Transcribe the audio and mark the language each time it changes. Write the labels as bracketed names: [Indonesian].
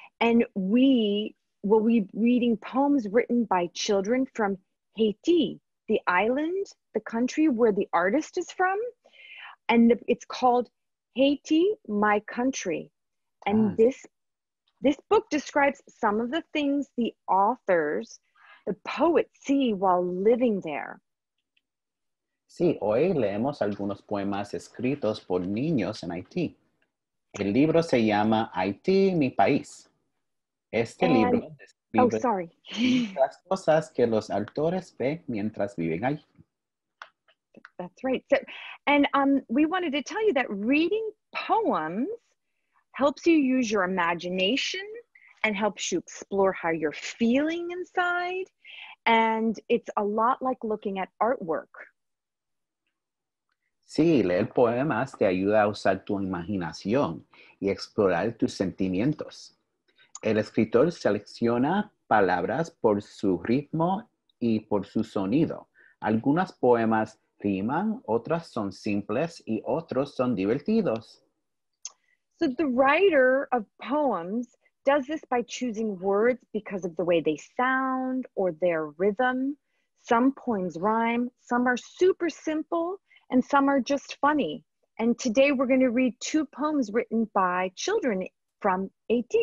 [English] And we will be reading poems written by children from Haiti, the island, the country where the artist is from. And it's called Haiti, My Country. And this book describes some of the things the authors... the poets see while living there. [Spanish] Sí, hoy leemos algunos poemas escritos por niños en Haití. El libro se llama Haití, mi país. Este [English] and, [Spanish] libro describe las cosas que los autores ven mientras viven ahí. [English] That's right. So, and we wanted to tell you that reading poems helps you use your imagination and helps you explore how you're feeling inside. And it's a lot like looking at artwork. [Spanish] Sí, leer poemas te ayuda a usar tu imaginación y explorar tus sentimientos. El escritor selecciona palabras por su ritmo y por su sonido. Algunos poemas riman, otros son simples y otros son divertidos. [English] So the writer of poems does this by choosing words because of the way they sound or their rhythm. Some poems rhyme, some are super simple, and some are just funny. And today we're going to read two poems written by children from AD.